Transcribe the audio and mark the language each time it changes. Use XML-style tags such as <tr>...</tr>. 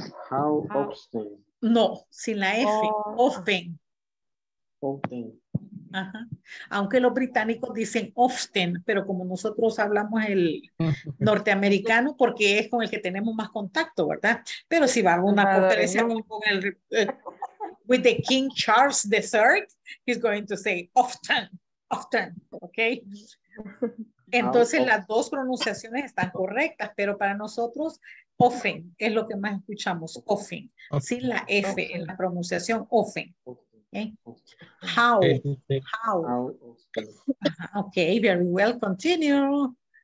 <en>How often.</en> <es>No, sin la F. Often.</es> <en>Often.</en> <es>Ajá. Aunque los británicos dicen often, pero como nosotros hablamos el norteamericano, porque es con el que tenemos más contacto, ¿verdad? Pero si va a una conferencia con el...</es> <en>with the King Charles III, he's going to say often, often, okay?</en> <es>Entonces, las dos pronunciaciones están correctas, pero para nosotros, often es lo que más escuchamos, often, sin la F en la pronunciación, often, okay?</es> <en>How? Okay, very well, continue.</en>